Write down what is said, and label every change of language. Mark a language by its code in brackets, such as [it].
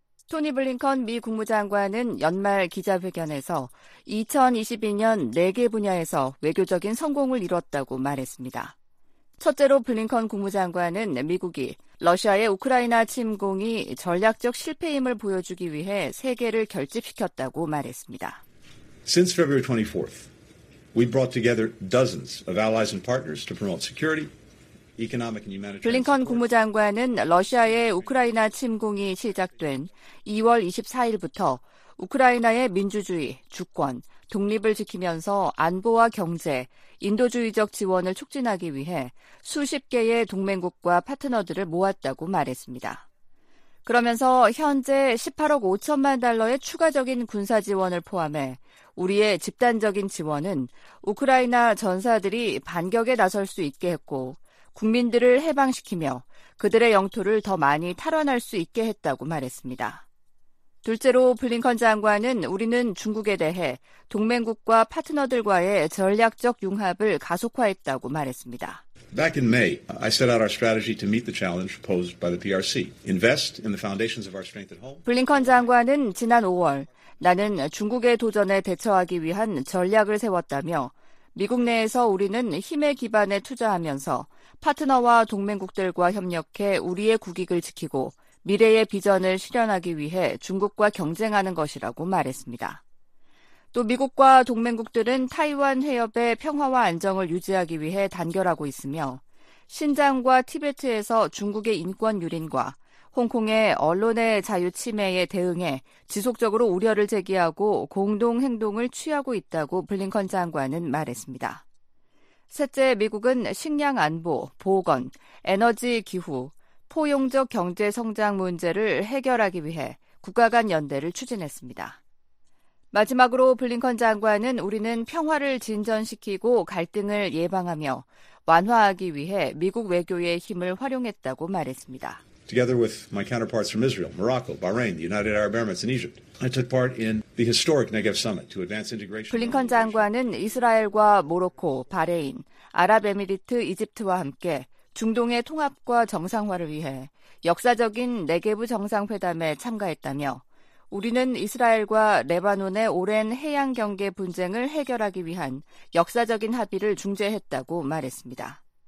[ko] 토니 블링컨 미 국무장관은 연말 기자회견에서 2022년 4개 분야에서 외교적인 성공을 이뤘다고 말했습니다. 첫째로 블링컨 국무장관은 미국이 러시아의 우크라이나 침공이 전략적 실패임을 보여주기 위해 세계를 결집시켰다고 말했습니다. [en] Since February 24th, we brought together dozens of allies and partners to promote security, economic and humanitarian. [ko] 블링컨 국무장관은 러시아의 우크라이나 침공이 시작된 2월 24일부터 우크라이나의 민주주의, 주권, 독립을 지키면서 안보와 경제, 인도주의적 지원을 촉진하기 위해 수십 개의 동맹국과 파트너들을 모았다고 말했습니다. 그러면서 현재 18억 5천만 달러의 추가적인 군사 지원을 포함해 우리의 집단적인 지원은 우크라이나 전사들이 반격에 나설 수 있게 했고 국민들을 해방시키며 그들의 영토를 더 많이 탈환할 수 있게 했다고 말했습니다. 둘째로 블링컨 장관은 우리는 중국에 대해 동맹국과 파트너들과의 전략적 융합을 가속화했다고 말했습니다. [en] Back in May, I set out our strategy to meet the challenge posed by the PRC. Invest in the foundations of our strength at home. [ko] 블링컨 장관은 지난 5월 나는 중국의 도전에 대처하기 위한 전략을 세웠다며 미국 내에서 우리는 힘의 기반에 투자하면서 파트너와 동맹국들과 협력해 우리의 국익을 지키고 미래의 비전을 실현하기 위해 중국과 경쟁하는 것이라고 말했습니다. 또 미국과 동맹국들은 타이완 해협의 평화와 안정을 유지하기 위해 단결하고 있으며 신장과 티베트에서 중국의 인권 유린과 홍콩의 언론의 자유 침해에 대응해 지속적으로 우려를 제기하고 공동 행동을 취하고 있다고 블링컨 장관은 말했습니다. 셋째, 미국은 식량 안보, 보건, 에너지 기후, 포용적 경제 성장 문제를 해결하기 위해 국가 간 연대를 추진했습니다. 마지막으로 블링컨 장관은 우리는 평화를 진전시키고 갈등을 예방하며 완화하기 위해 미국 외교의 힘을 활용했다고 말했습니다. [en] Together with my counterparts from Israel, Morocco, Bahrain, the United Arab Emirates, and Egypt, I took part in the historic Negev summit to advance integration. [ko] 블링컨 장관은 이스라엘과 모로코, 바레인, 아랍에미리트, 이집트와 함께 중동의 통합과 정상화를 위해 역사적인 네게브 정상회담에 참가했다며 우리는 이스라엘과 레바논의 오랜 해양 경계 분쟁을 해결하기 위한 역사적인 합의를 중재했다고 말했습니다.